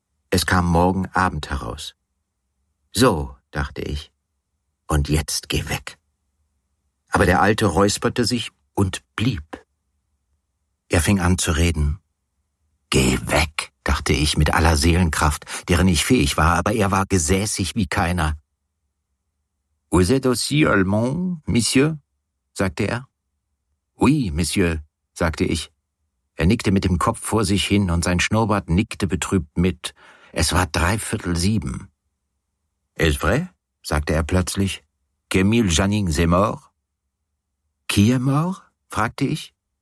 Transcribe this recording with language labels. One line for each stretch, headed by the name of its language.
German: Es kam morgen Abend heraus. So, dachte ich, und jetzt geh weg. Aber der Alte räusperte sich und blieb. Er fing an zu reden. Geh weg, dachte ich mit aller Seelenkraft, deren ich fähig war, aber er war gesässig wie keiner.
French: Vous êtes aussi allemand, monsieur?
German: Sagte er.
French: Oui, monsieur,
German: sagte ich. Er nickte mit dem Kopf vor sich hin und sein Schnurrbart nickte betrübt mit. Es war 7:15.
French: Est vrai?
German: Sagte er plötzlich.
French: Camille Janning est mort? Qui est mort?
German: Fragte ich.